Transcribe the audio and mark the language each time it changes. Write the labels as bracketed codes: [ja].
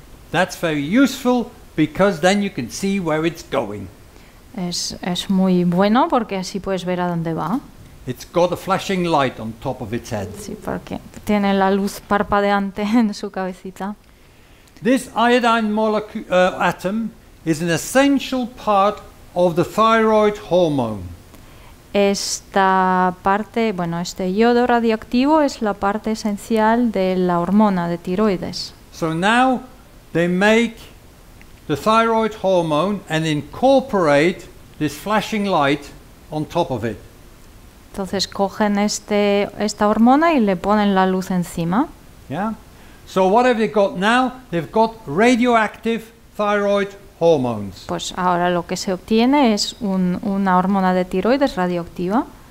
[en] That's very useful because then you can see where it's going. [es] Es muy bueno porque así puedes ver a dónde va. [en] It's got a flashing light on top of its head. [es] Sí, porque tiene la luz parpadeante en su cabecita. [en] This iodine molecule atom is an essential part of the thyroid hormone. [es] Esta parte, bueno, este yodo radioactivo es la parte esencial de la hormona de tiroides. [en] So now they make the thyroid hormone and incorporate this flashing light on top of it. [es] Entonces cogen esta hormona y le ponen la luz encima. [en] Yeah. So what have they got now? They've got radioactive thyroid hormones. [es] Pues ahora lo que se obtiene es una hormona de tiroides radioactiva.